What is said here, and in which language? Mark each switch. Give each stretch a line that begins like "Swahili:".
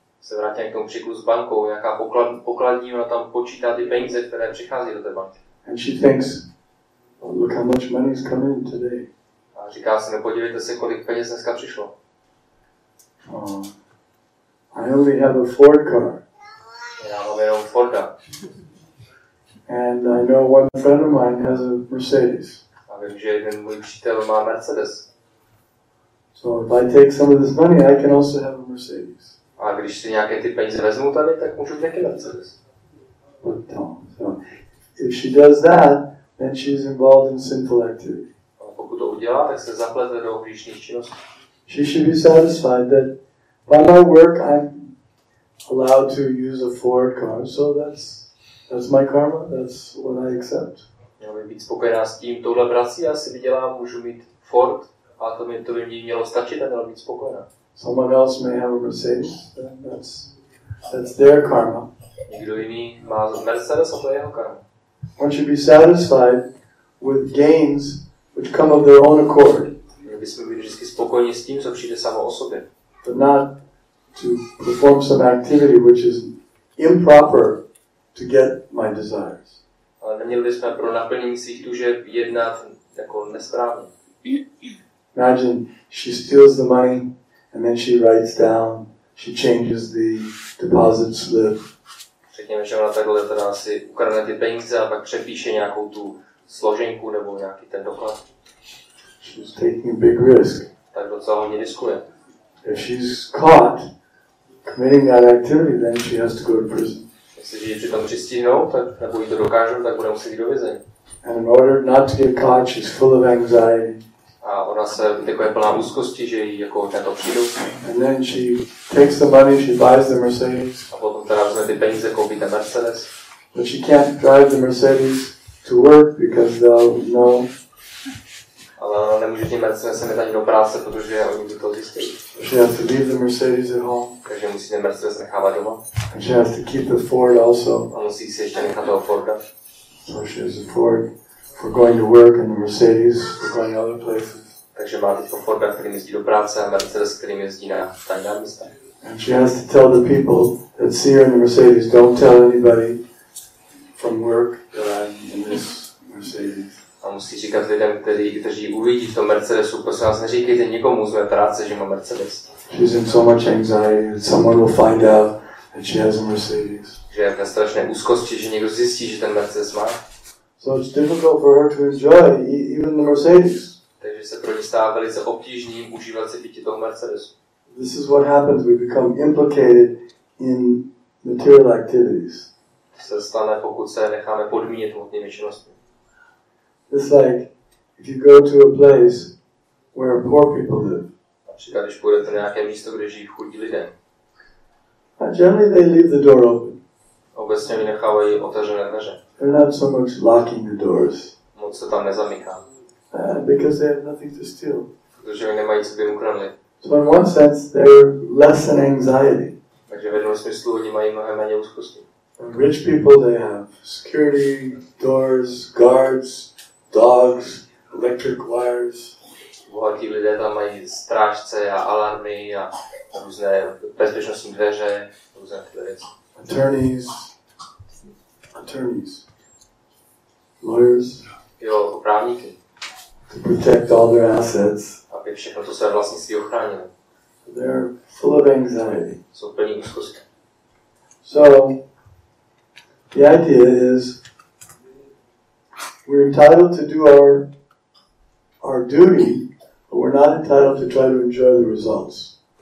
Czech: Se vrátím k tomu příkladu s bankou, jaká pokladní, ona tam počítá ty peníze, které přichází do té banky.
English: And she thinks, oh, look how much money is coming in today.
Czech: A říká si, nepodívejte se, kolik peněz dneska přišlo.
English: I only have a Ford car.
Czech: Já mám jenom Forda.
English: And I know one friend of mine has a Mercedes.
Czech: A vím, že jeden můj přítel má Mercedes.
English: So if I take some of this money, I can also have a Mercedes.
Czech: A když si nějaké ty peníze vezmu tady, tak můžu taky Mercedes.
English: But don't. So if she does that, then she's involved in sinful activity.
Czech: A pokud to udělá, tak se zaplete do hříšných činností.
English: She should be satisfied that by my work I'm allowed to use a Ford car, so that's my karma, that's what I accept.
Czech: Měl bych být spokojená s tím, touhle prací já si vydělám, můžu mít Ford, a to by mě mělo stačit a měla být spokojená.
English: Someone else may have a Mercedes, that's their karma.
Czech: Někdo jiný má Mercedes a to je jeho karma.
English: One should be satisfied with gains which come of their own accord.
Czech: Měli bychom být vždycky spokojení s tím, co přijde samo o sobě.
English: But not to perform some activity which is improper to get my desires.
Czech: Ale neměli bychom pro naplnění svých tužeb jednat jako nesprávně.
English: Imagine she steals the money and then she writes down, she changes the deposit slip.
Czech: Řekněme, že ona takhle teda asi ukradne ty peníze a pak přepíše nějakou tu složenku nebo nějaký ten doklad.
English: She's taking a big risk.
Czech: Tak docela hodně riskuje.
English: If she's caught committing that activity, then she has to go to prison.
Czech: Jestliže ji přitom přistihnou, nebo ji to dokážou, tak bude muset jít do vězení.
English: And in order not to get caught, she's full of anxiety.
Czech: A ona se jako je plná úzkosti, že ji jako na to přijdou.
English: And then she takes the money, she buys the Mercedes.
Czech: A potom teda vzme ty peníze, koupí ten Mercedes.
English: But she can't drive the Mercedes to work because they'll know.
Czech: Ale ona nemůže tím Mercedesem jít ani do práce, protože oni by to zjistili.
English: She has to leave the Mercedes at home.
Czech: Takže musí ten Mercedes nechávat doma.
English: And she has to keep the Ford also.
Czech: A musí si ještě nechat toho Forda.
English: So she has a Ford for going to work and the Mercedes for going other places.
Czech: Takže má teď Forda, kterým jezdí do práce a Mercedes, kterým jezdí na tajná místa.
English: And she has to tell the people that see her in the Mercedes, don't tell anybody from work that I'm in this Mercedes.
Czech: A musí říkat lidem, kteří uvidí v tom Mercedesu, prosím vás, neříkejte nikomu z mé práce, že má Mercedes.
English: She's in so much anxiety that someone will find out that she has a Mercedes.
Czech: Že je v strašné úzkosti, že někdo zjistí, že ten Mercedes má.
English: So it's difficult for her to enjoy even the Mercedes.
Czech: Takže se pro ní stává velice obtížným užívat si pítě toho Mercedesu.
English: This is what happens, we become implicated in material activities.
Czech: To se stane, pokud se necháme podmínit hmotnými činnostmi.
English: It's like if you go to a place where poor people live.
Czech: Například, když půjdete na nějaké místo, kde žijí chudí lidé.
English: And generally they leave the door open.
Czech: Obecně mi nechávají otevřené dveře.
English: They're not so much locking the doors.
Czech: Moc se tam nezamyká.
English: Because they have nothing to steal.
Czech: Protože oni nemají co by ukradli.
English: So in one sense they're less in anxiety.
Czech: Takže v jednom smyslu oni mají mnohem méně úzkosti.
English: And rich people they have security, doors, guards, dogs, electric wires.
Czech: Bohatí lidé tam mají strážce a alarmy a různé bezpečnostní dveře, různé tyhle věci.
English: Attorneys, lawyers.
Czech: Jo, právníky.
English: To protect all their assets.
Czech: Aby všechno, co se vlastnictví ochránilo.
English: They're full of anxiety.
Czech: Jsou plní úzkosti.
English: So, the idea is, we're entitled to do our duty, but we're not entitled to try to enjoy the results.